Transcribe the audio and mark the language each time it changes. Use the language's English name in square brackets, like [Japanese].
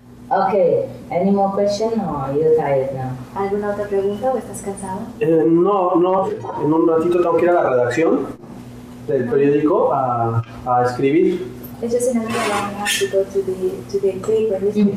[English] Okay, any more questions or are you tired now? [Spanish] ¿Alguna otra pregunta o estás cansado? No, en un ratito tengo que ir a la redacción del periódico a escribir. [English] It's just in a minute I have to go to the paper, newspaper,